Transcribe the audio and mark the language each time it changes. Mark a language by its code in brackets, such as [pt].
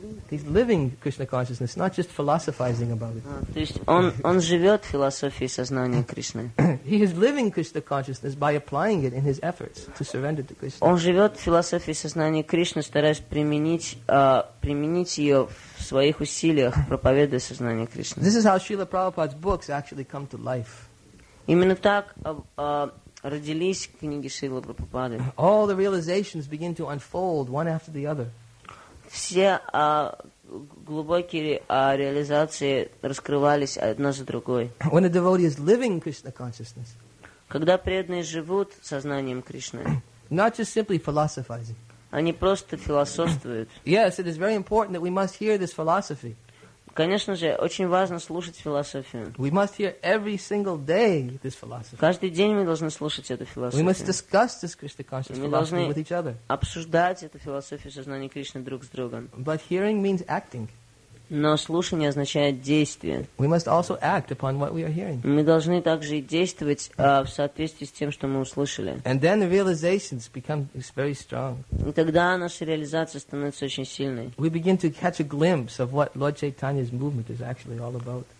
[en] He's living Krishna consciousness, not just philosophizing about it. [ru] То есть он живет философией сознания Кришны. [en] He is living Krishna consciousness by applying it in his efforts to surrender to Krishna. [ru] Он живет философией сознания Кришны, стараясь применить ее в своих усилиях, проповедуя сознание Кришны. [en] This is how Srila Prabhupada's books actually come to life. [ru] Именно так родились книги Шрилы Прабхупады. [en] All the realizations begin to unfold one after the other. [ru] Все глубокие реализации раскрывались одна за другой. [en] When a devotee is living Krishna consciousness. [ru] Когда преданные живут сознанием Кришны. [en] Not just simply philosophizing. [ru] Они просто философствуют. [en] Yes, it is very important that we must hear this philosophy. [ru] Конечно же, очень важно слушать философию. [en] We must hear every single day this philosophy. [ru] Каждый день мы должны слушать эту философию. [en] We must discuss this Krishna consciousness philosophy with each other. [ru] Мы должны обсуждать эту философию сознания Кришны друг с другом. [en] But hearing means acting. [ru] Но слушание означает действие. [en] We must also act upon what we are hearing. [ru] Мы должны также и действовать в соответствии с тем, что мы услышали. [en] And then the realizations become very strong. [ru] И тогда наша реализация становится очень сильной. [en] We begin to catch a glimpse of what Lord Chaitanya's movement is actually all about.